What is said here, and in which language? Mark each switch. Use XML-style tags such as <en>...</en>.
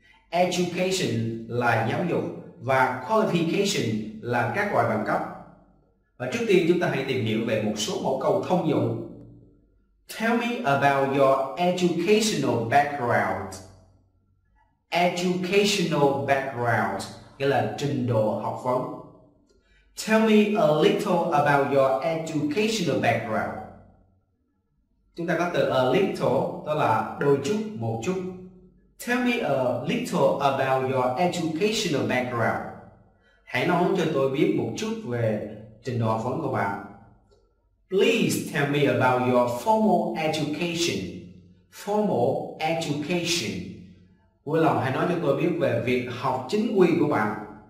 <vi>Education là giáo dục và qualification là các loại bằng cấp. Và trước tiên, chúng ta hãy tìm hiểu về một số mẫu câu thông dụng.</vi> <en>Tell me about your educational background.</en> <vi>Educational background nghĩa là trình độ học vấn.</vi> <en>Tell me a little about your educational background.</en> <vi>Chúng ta có từ a little, đó là đôi chút, một chút.</vi> <en>Tell me a little about your educational background.</en> <vi>Hãy nói cho tôi biết một chút về trình độ học vấn của bạn.</vi> <en>Please tell me about your formal education.</en> <vi>Formal education. Vui lòng hãy nói cho tôi biết về việc học chính quy của bạn.</vi>